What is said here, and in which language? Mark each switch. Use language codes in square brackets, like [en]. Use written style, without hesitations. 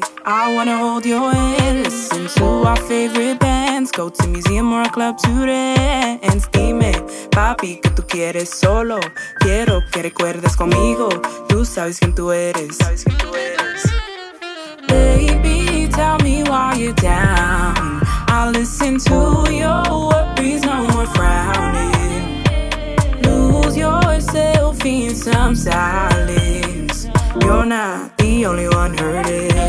[en] I wanna hold your hand, listen to our favorite bands, go to museum or a club to dance. [es] Dime, papi, que tú quieres solo, quiero que recuerdes conmigo, tú sabes quién tú eres, sabes quién tú eres. [en] Baby, tell me why you're down, I'll listen to your worries, no more frowning. Lose yourself in some silence, you're not the only one hurting.